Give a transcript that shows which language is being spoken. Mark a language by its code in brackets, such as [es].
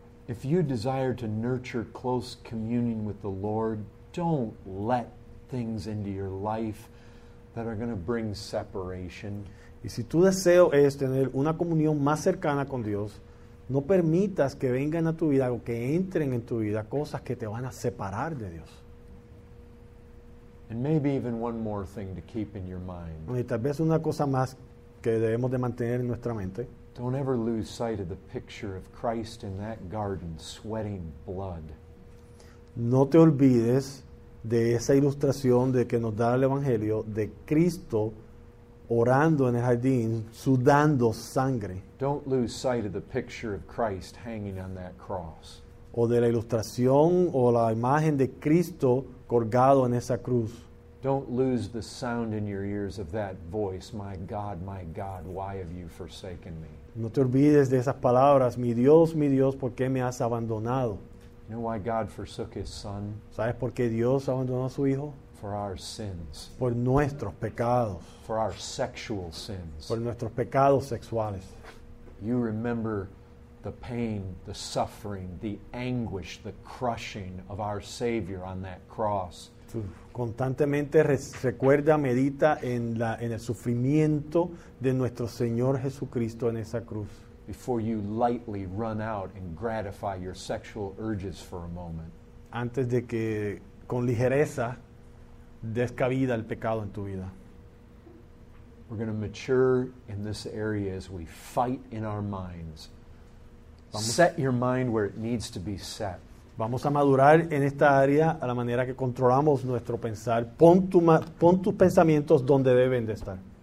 [en] If you desire to nurture close communion with the Lord, don't let things into your life that are going to bring separation. [es] Y si tu deseo es tener una comunión más cercana con Dios, no permitas que vengan a tu vida o que entren en tu vida cosas que te van a separar de Dios. [en] And maybe even one more thing to keep in your mind. [es] Y tal vez una cosa más que debemos de mantener en nuestra mente. [en] Don't ever lose sight of the picture of Christ in that garden sweating blood. [es] No te olvides de esa ilustración de que nos da el Evangelio de Cristo orando en el jardín, sudando sangre. [en] Don't lose sight of the picture of Christ hanging on that cross. [es] O de la ilustración o la imagen de Cristo colgado en esa cruz. [en] Don't lose the sound in your ears of that voice, my God, why have you forsaken me? [es] No te olvides de esas palabras, mi Dios, ¿por qué me has abandonado? [en] You know why God forsook his son? [es] ¿Sabes por qué Dios abandonó a su hijo? [en] For our sins. [es] Por nuestros pecados. [en] For our sexual sins. [es] Por nuestros pecados sexuales. [en] You remember the pain, the suffering, the anguish, the crushing of our Savior on that cross. [es] Tú constantemente recuerda, medita en el sufrimiento de nuestro Señor Jesucristo en esa cruz. [en] Before you lightly run out and gratify your sexual urges for a moment. [es] Antes de que con ligereza descabida el pecado en tu vida. [en] We're going to mature in this area as we fight in our minds. Set your mind where it needs to be set. [es] Vamos a madurar en esta área a la manera que controlamos nuestro pensar. Pon tus pensamientos donde deben de estar.